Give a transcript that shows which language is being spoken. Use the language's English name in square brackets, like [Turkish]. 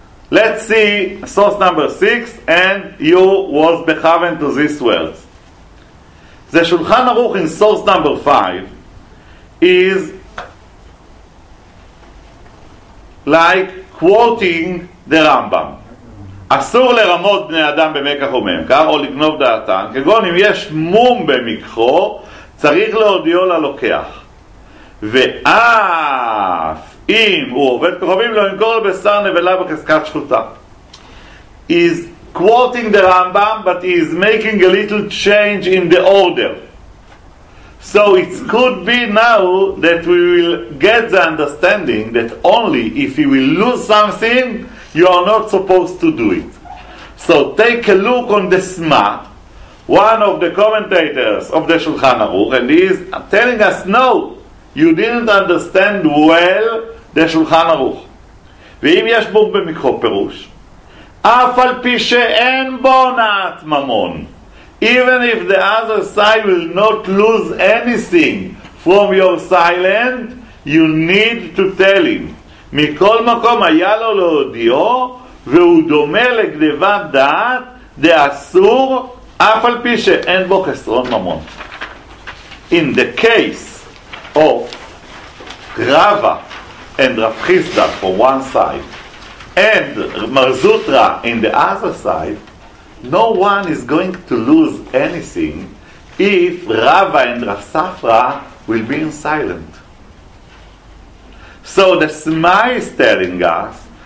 [English] Let's see source number 6, and you was bechaven to these words. The Shulchan Aruch in source number 5 is like quoting the Rambam. [Hebrew] אסור לרמות בני אדם במקח וממכר, או לגנוב דעתם, כגון אם יש מום במקחו, צריך להודיעו ללוקח. ואף אם הוא עובד כוכבים, לא ימכור לבשר נבלה בחזקת שחוטה. [English] He is quoting the Rambam, but he is making a little change in the order. So it could be now that we will get the understanding that only if he will lose something, you are not supposed to do it. So take a look on the Sma, one of the commentators of the Shulchan Aruch, and he is telling us, no, you didn't understand well the Shulchan Aruch. [Hebrew] Ve'im yesh bo b'mikro perush, af al pi she'en bo na'at mamon, [English] even if the other side will not lose anything from your silence, you need to tell him. [Hebrew] מכל מקום היה לו להודיעו, והוא דומה לגנבת דעת, דאסור, אף על פי שאין בו חסרון ממון. [English] In the case of Rava and Rav Chisda from one side, and Marzutra in the other side, no one is going to lose anything if Rava and Rav Safra will be in silent. So the Sma is telling us